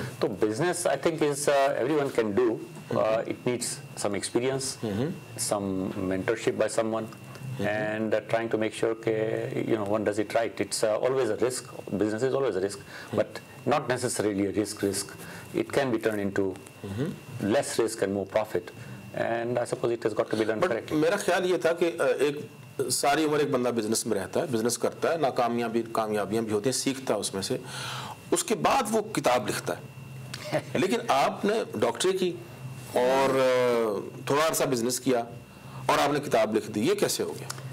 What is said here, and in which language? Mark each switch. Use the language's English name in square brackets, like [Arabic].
[English] तो business I think is everyone can do, it needs some experience, some mentorship by someone and trying to make sure के you know one does it right. It's always a risk, business is always a risk, but not necessarily a risk. It can be turn into less risk and more profit. And I suppose it has got to be done correctly. [Hindi] मेरा ख्याल ये था कि एक सारी उम्र एक बंदा बिजनेस में रहता है, बिजनेस करता है, नाकामियां भी कामयाबियां भी होती हैं, सीखता है उसमें से, उसके बाद वो किताब लिखता है. लेकिन आपने डॉक्टरी की और थोड़ा अरसा बिजनेस किया और आपने किताब लिख दी, ये कैसे हो गया?